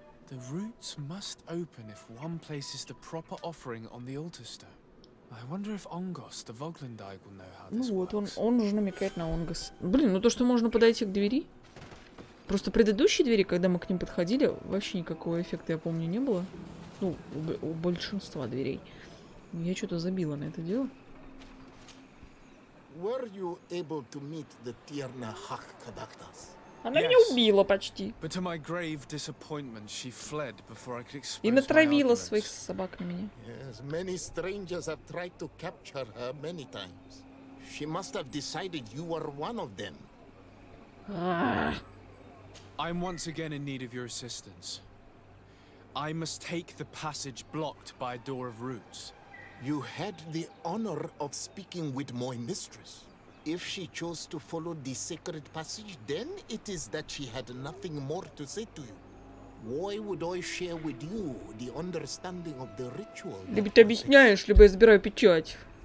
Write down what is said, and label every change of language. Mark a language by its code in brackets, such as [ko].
[en] The roots must open if one places the proper offering on the altar stone. I wonder if Ongos, the Voglandig, will know how this works. [ru] Ну вот, он уже намекает на Онгос. Блин, ну то, что можно подойти к двери. Просто предыдущие двери, когда мы к ним подходили, вообще никакого эффекта, я помню, не было. Ну, у большинства дверей. Я что-то забила на это дело. [en] Were you able to meet the Tierna Hakkadaktas? [ru] Она меня убила почти. [en] But to my grave disappointment, she fled before I could express my [ru] И натравила своих собак на меня. [en] Yes, many strangers have tried to capture her many times. She must have decided you were one of them. I'm once again in need of your assistance. I must take the passage blocked by a door of roots. You had the honor of speaking with my mistress. If she chose to follow the sacred passage, then it is that she had nothing more to say to you. Why would I share with you the understanding of the ritual? [ru] Либо ты объясняешь, либо я забираю печать.